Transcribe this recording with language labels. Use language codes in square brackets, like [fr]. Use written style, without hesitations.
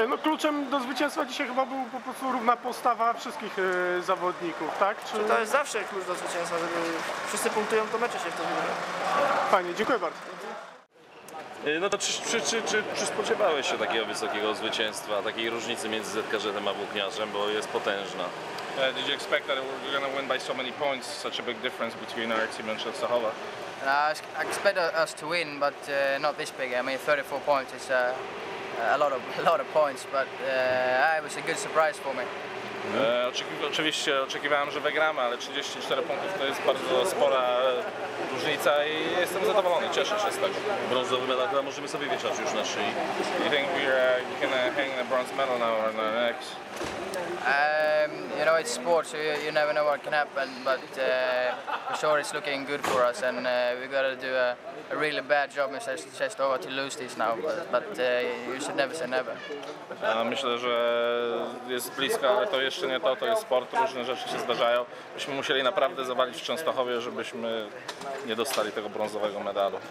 [pl] No, kluczem do zwycięstwa dzisiaj chyba był po prostu równa postawa wszystkich zawodników, tak? Czy to jest zawsze klucz do zwycięstwa, żeby wszyscy punktują, to mecze się w tym wygrywa. Fajnie, dziękuję bardzo. No to czy spodziewałeś się takiego wysokiego zwycięstwa, takiej różnicy między ZKŻ-em a Włókniarzem, bo jest potężna? [en] Did you expect that we're going to win by so many points, such a big difference between our team and Częstochowa? No, I expected us to win, but not this big. I mean, 34 points is a lot of points, but it was a good surprise for me. [pl] Oczywiście oczekiwałem, że wygramy, ale 34 punktów to jest bardzo spora różnica i jestem zadowolony, cieszę się z tego. Brązowy medal chyba możemy sobie wieszać już na szyi. [en] You think we're gonna hang the bronze medal now or the next? You know, it's sport, so you never know what can happen, but for sure it's looking good for us and we've got to do a really bad job in Częstochowa to lose this now, but you should never say never. [pl] Myślę, że jest blisko, ale to jeszcze nie to, to jest sport, różne rzeczy się zdarzają. Myśmy musieli naprawdę zawalić w Częstochowie, żebyśmy nie dostali tego brązowego medalu.